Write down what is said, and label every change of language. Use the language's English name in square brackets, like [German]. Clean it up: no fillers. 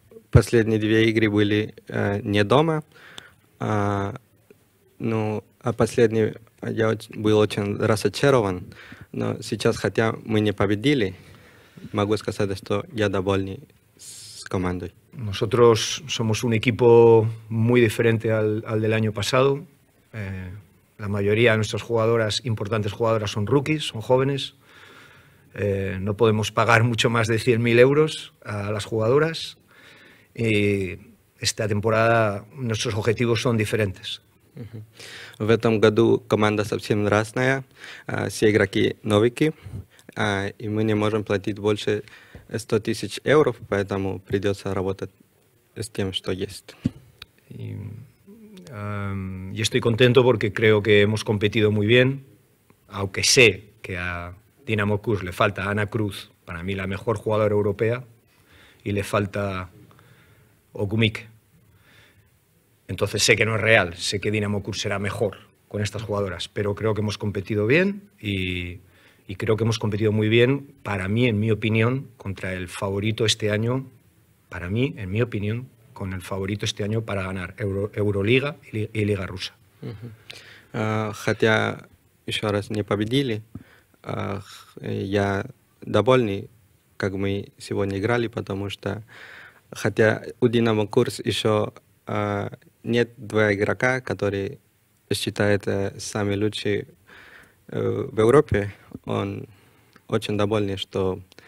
[Russian] Последние две игры были не дома, ну, а последний я был очень разочарован, но сейчас, хотя мы не победили, могу сказать, что я доволен с командой. [Spanish] Nosotros somos un equipo muy diferente al del año pasado. La mayoría de nuestras jugadoras, importantes jugadoras, son rookies, son jóvenes. No podemos pagar mucho más de 100.000 euros a las jugadoras. Y esta temporada nuestros objetivos son diferentes. [Russian] В этом году команда совсем разная. Все игроки новики. И мы не можем платить больше 100 тысяч евро, поэтому придется работать с тем, что есть. [Spanish] Я estoy contento porque creo que hemos competido muy bien, aunque sé que a Dinamo Kursk le falta Ana Cruz, para mí la mejor jugadora europea, y le falta Ogumik. Entonces sé que no es real, sé que Dinamo Kursk será mejor con estas jugadoras, pero creo que hemos competido bien y creo que hemos competido muy bien, para mí, en mi opinión, contra el favorito este año, para mí, en mi opinión, con el favorito este año para ganar Euroliga y Liga Rusa. [Russian] Хотя еще раз не победили, я доволен, как мы сегодня играли, потому что, хотя у Динамо Курск еще нет двоих игрока, которые считают самые лучшие в Европе, он очень доволен, что